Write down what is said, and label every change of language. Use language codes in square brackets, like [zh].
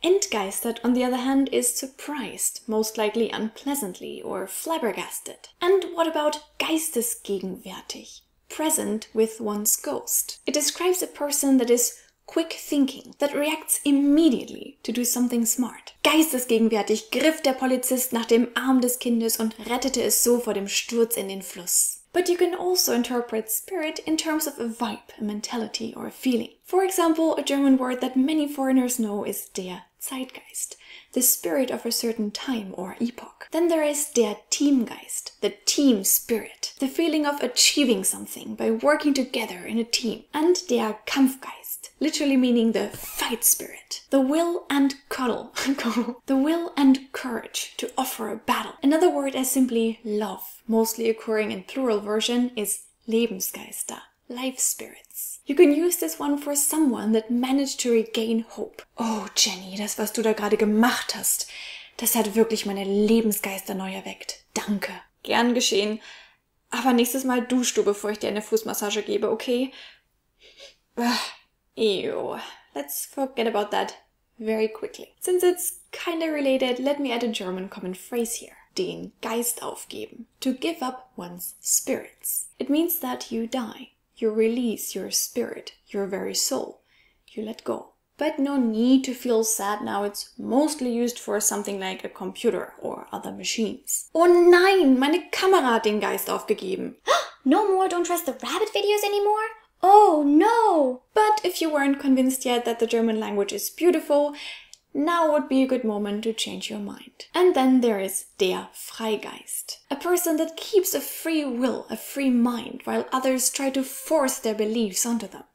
[en] Entgeistert, on the other hand, is surprised, most likely unpleasantly or flabbergasted. And what about geistesgegenwärtig? Present with one's ghost. It describes a person that is quick thinking, that reacts immediately to do something smart. [de] Geistesgegenwärtig griff der Polizist nach dem Arm des Kindes und rettete es so vor dem Sturz in den Fluss. [en] But you can also interpret spirit in terms of a vibe, a mentality, or a feeling. For example, a German word that many foreigners know is der Zeitgeist, the spirit of a certain time or epoch. Then there is der Teamgeist, the team spirit, the feeling of achieving something by working together in a team. And der Kampfgeist, literally meaning the fight spirit, the will and the will and courage to offer a battle. Another word as simply love, mostly occurring in plural version, is Lebensgeister, life spirits. You can use this one for someone that managed to regain hope. [de] Oh, Jenny, das, was du da gerade gemacht hast, das hat wirklich meine Lebensgeister neu erweckt. Danke. Gern geschehen. Aber nächstes Mal dusch du, bevor ich dir eine Fußmassage gebe, okay? [en] Ew. Let's forget about that very quickly. Since it's kinda related, let me add a German common phrase here. [de] Den Geist aufgeben. [en] To give up one's spirits. It means that you die. You release your spirit, your very soul. You let go. But no need to feel sad now. It's mostly used for something like a computer or other machines. [de] Oh nein, meine Kamera hat den Geist aufgegeben. [en] No more Don't Trust the Rabbit videos anymore? Oh no! But if you weren't convinced yet that the German language is beautiful, now would be a good moment to change your mind. And then there is der Freigeist. A person that keeps a free will, a free mind, while others try to force their beliefs onto them.